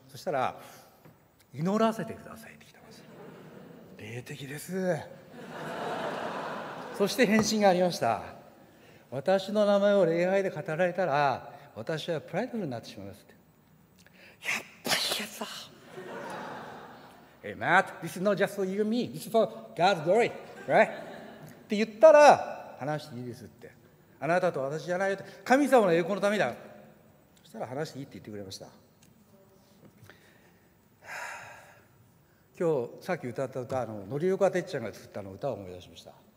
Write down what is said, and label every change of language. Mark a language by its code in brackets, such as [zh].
[ja] そしたら、祈らせてくださいって来たんです。霊的です。そして返信がありました。私の名前を礼拝で語られたら、私はプライドフルになってしまいますって。やっぱりやさ。 [en] Hey, Matt, this is not just for you and me. This is for God's glory, right? [ja] って言ったら、話していいですって。あなたと私じゃないよって。神様の栄光のためだ。そしたら話していいって言ってくれました。今日、さっき歌った歌、乗り岡てっちゃんが作ったの歌を思い出しました。